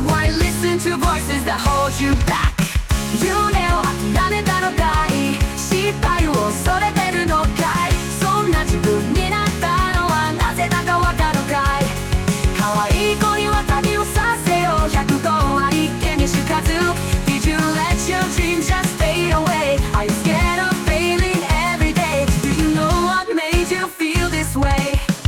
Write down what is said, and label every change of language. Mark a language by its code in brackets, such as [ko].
[en] Why listen to voices that hold you back? [ja] 夢を諦めたのかい、失敗を恐れてるのかい、そんな自分になったのはなぜだかわかるかい。可愛い子には旅をさせよう、100とは一見にしかず、 Did you let your dream just fade away? [en] Are you scared of failing every day? Do you know what made you feel this way?